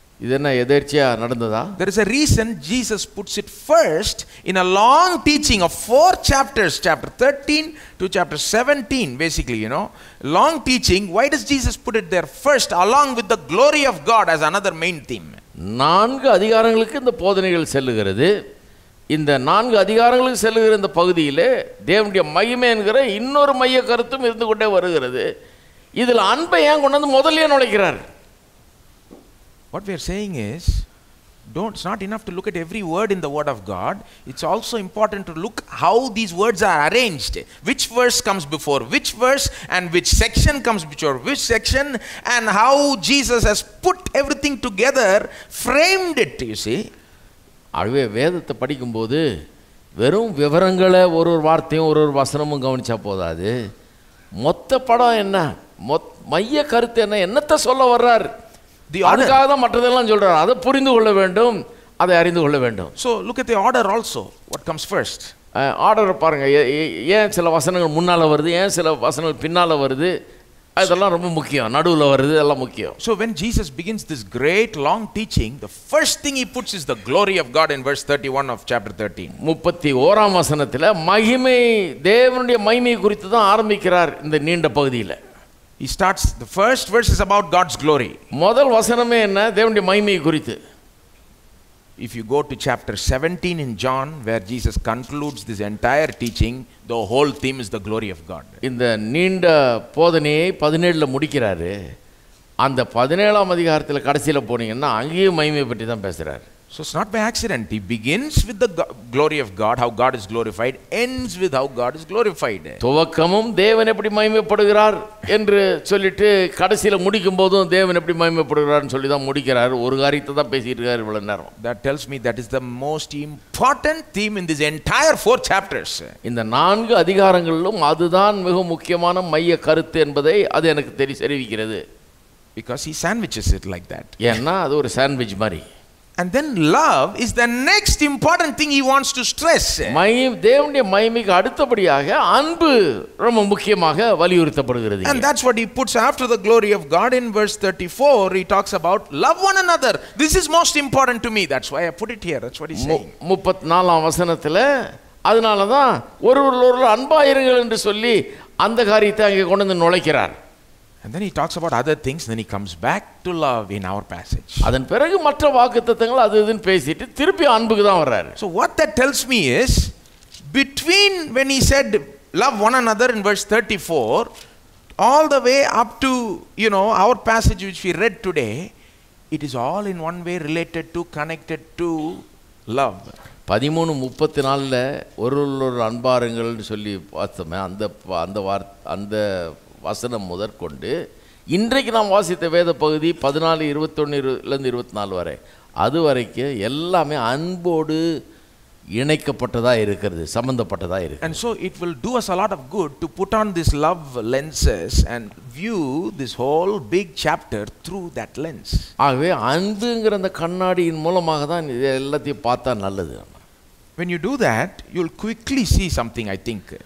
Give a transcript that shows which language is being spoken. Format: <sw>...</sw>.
<en>There is a reason Jesus puts it first in a long teaching of 4 chapters, chapter 13 to chapter 17, basically, you know. Long teaching, why does Jesus put it there first along with the glory of God as another main theme?</en> <ta>நான்கு அதிகாரங்களுக்கு இந்த போதனைகள் செல்லுகிறது. இந்த நான்கு அதிகாரங்களுக்கு செல்லுகிற இந்த பகுதியிலே தேவனுடைய மகிமை என்கிற இன்னொரு மைய கருத்தும் இருந்து கொண்டே வருகிறது. இதில் அன்பை ஏன் கொண்டு வந்து முதலே நுழைக்கிறார்?</ta> <en>What we are saying is, it's not enough to look at every word in the word of God. It's also important to look how these words are arranged. Which verse comes before which verse, and which section comes before which section, and how Jesus has put everything together, framed it, you see.</en> <ta>அதுவே வேதத்தை படிக்கும்போது வெறும் விவரங்களை ஒரு ஒரு வார்த்தையும் ஒரு ஒரு வசனமும் கவனிச்சா போதாது. மொத்த படம் என்ன, மைய கருத்து என்ன, என்னத்தை சொல்ல வர்றார், அதுக்காக தான் மற்றதெல்லாம் சொல்கிறார், அதை புரிந்து கொள்ள வேண்டும், அதை அறிந்து கொள்ள வேண்டும்.</ta> <en>So look at the order also, what comes first.</en> <ta>Order பாருங்கள், ஏன் சில வசனங்கள் முன்னால் வருது, ஏன் சில வசனங்கள் பின்னால் வருது, அதெல்லாம் ரொம்ப முக்கியம். நடுவில் வருது எல்லாம் முக்கியம்.</ta> <en>So when Jesus begins this great long teaching, the first thing he puts is the glory of God in verse 31 of chapter 13.</en> <ta>31 வசனத்தில் மகிமை, தேவனுடைய மகிமை குறித்து தான் ஆரம்பிக்கிறார் இந்த நீண்ட பகுதியில்.</ta> <en>He starts, the first verse is about God's glory.</en> <ta>முதல் வசனமே என்ன, தேவனுடைய மகிமை குறித்து.</ta> <en>If you go to chapter 17 in John, where Jesus concludes this entire teaching, the whole theme is the glory of God.</en> <ta>இந்த நீண்ட போதனையை 17ல முடிக்கிறாரு. அந்த 17ஆம் அதிகாரத்தில் கடைசியில் போனீங்கன்னா அங்கேயும் மகிமை பற்றி தான் பேசுகிறார்.</ta> <en>So it's not by accident. He begins with the glory of God, how God is glorified, ends with how God is glorified.</en> <ta>துவக்கமும் தேவன் எப்படி மகிமைப்படுகிறார் என்று சொல்லிட்டு கடைசியில் முடிக்கும் போதும் தேவன் எப்படி மகிமைப்படுகிறார்னு சொல்லி தான் முடிக்கிறார். ஒரு காரியத்தை தான் பேசிட்டு இருக்காரு இவ்வளவு நேரம்.</ta> <en>That tells me that is the most important theme in this entire 4 chapters.</en> <ta>இந்த நான்கு அதிகாரங்களிலும் அதுதான் மிக முக்கியமான மைய கருத்து என்பதை அது எனக்கு தெரிவிக்கிறது.</ta> <en>Because he sandwiches it like that.</en> <ta>ஏன்னா அது ஒரு சாண்ட்விச் மாதிரி.</ta> <en>And then love is the next important thing he wants to stress.</en> <ta>மகிமை, தேவனுடைய மகிமைக்கு அடுத்தபடியாக அன்பு ரொம்ப முக்கியமாக வலியுறுத்தப்படுகிறது.</ta> <en>And that's what he puts after the glory of God in verse 34. He talks about love one another. This is most important to me. That's why I put it here. That's what he's saying.</en> <ta>34ஆம் வசனத்தில் அதனால தான் ஒருவர் அன்பாக இருங்கள் என்று சொல்லி அந்த காரியத்தை அங்கே கொண்டு வந்து நுழைக்கிறார்.</ta> <en>And then he talks about other things, then he comes back to love in our passage.</en> <ta>அதன் பிறகு மற்ற வாக்குத்தத்தங்கள் அது இதுன்னு பேசிட்டு திருப்பி அன்புக்கு தான் வர்றாரு.</ta> <en>So what that tells me is, between when he said love one another in verse 34, all the way up to, you know, our passage which we read today, it is all in one way related to, connected to love.</en> <ta>13:34ல ஒருவர் அன்பாருங்கள்னு சொல்லி பார்த்தோமே, அந்த வசனம் முதற்கொண்டு இன்றைக்கு நாம் வாசித்த வேத பகுதி 14:21-24 வரை, அது வரைக்கும் எல்லாமே அன்போடு இணைக்கப்பட்டதாக இருக்கிறது, சம்பந்தப்பட்டதாக இருக்கு.</ta> <en>And so it will do us a lot of good to put on this love lenses and view this whole big chapter through that lens.</en> <ta>ஆகவே அன்புங்கிற அந்த கண்ணாடியின் மூலமாக தான் இதை எல்லாத்தையும் பார்த்தா நல்லது.</ta> <en>When you do that, you'll quickly see something, I think.</en>